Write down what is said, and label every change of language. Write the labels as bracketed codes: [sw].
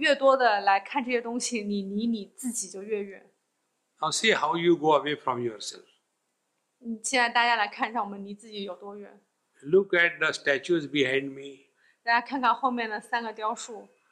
[zh] Okay. So, 头脑还会建议说，我们出去逛一逛吧，看看这树多漂亮啊，山多漂亮啊。就是你越多的来看这些东西，你离你自己就越远。 [en] Now, see how you go away from yourself. [zh] 现在大家来看一下，我们离自己有多远。 [en] Look at the statues behind me. [zh] 大家看看后面的三个雕塑。